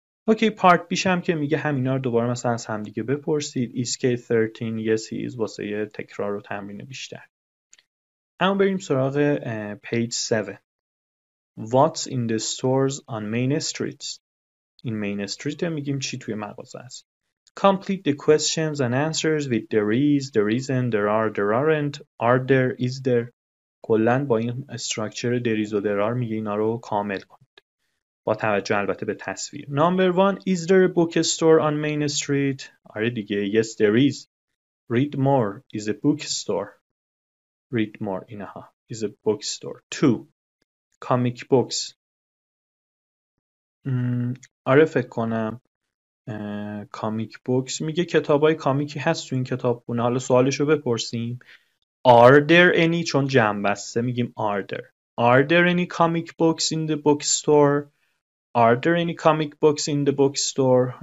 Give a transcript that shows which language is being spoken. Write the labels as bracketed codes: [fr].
[en] Okay, part B [fa] هم که میگه همینا رو دوباره مثلا از همدیگه بپرسید. [en] Is Kate 13? Yes, he is. [fa] واسه یه تکرار و تمرین بیشتر. اما بریم سراغ [en] page 7. What's in the stores on main streets? [fa] این مین استریت میگیم چی توی مغازه است. [en] Complete the questions and answers with there is, there isn't, there aren't, are there, is there. [fa] کلن با این استرکچر there is و there are میگه اینا رو کامل کنید. با توجه البته به تصویر. [en] Number one, is there a bookstore on Main Street? [fa] آره دیگه, [en] yes there is. Read more, is a bookstore. Read more, اینها, is a bookstore. Two, comic books. [fa] آره فکر کنم کامیک بوکس میگه کتابای کامیکی هست تو این کتابخونه. حالا سوالشو بپرسیم. [en] Are there any, [fa] چون جمع بسته میگیم are there. [en] Are there any comic books in the bookstore? Are there any comic books in the bookstore?